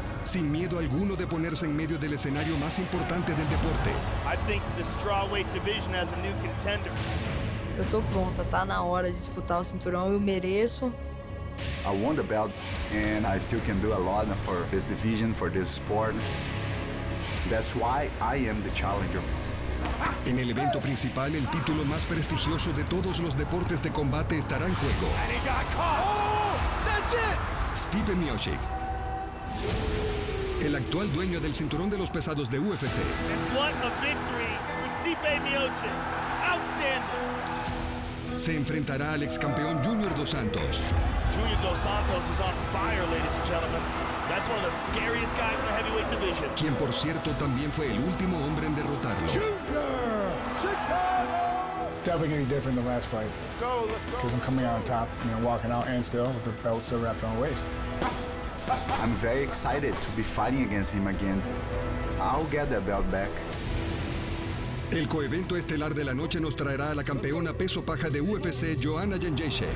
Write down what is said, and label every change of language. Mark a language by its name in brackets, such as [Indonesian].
[Spanish] Sin miedo alguno de ponerse en medio del escenario más importante del deporte. [English] I think the strawweight division has a new contender. [Portuguese] Eu tô pronta, tá na hora de disputar o cinturão, eu mereço. [English] I won the belt and I still can do a lot for this division, for this sport. That's why I am the challenger. [Spanish] En el evento principal, el título más prestigioso de todos los deportes de combate estará en juego. [English] And he got caught. Oh, that's it. [Spanish] Stipe Miocic, el actual dueño del cinturón de los pesados de UFC. [English] What a victory for Stipe Miocic. Outstanding. [Spanish] Se enfrentará al ex campeón Junior Dos Santos. [English] Junior Dos Santos is on fire, ladies and gentlemen. That's one of the scariest guys in the heavyweight division. [Spanish] Quien, por cierto, también fue el último hombre en derrotarlo. Junior! Chicago! [English] Definitely going to be different than the last fight. Go, let's go. Because I'm coming out on top, you know, walking out and still with the belt still wrapped around my waist. I'm very excited to be fighting against him again. I'll get that belt back. [Spanish] El coevento estelar de la noche nos traerá a la campeona peso paja de UFC, Joanna Jędrzejczyk.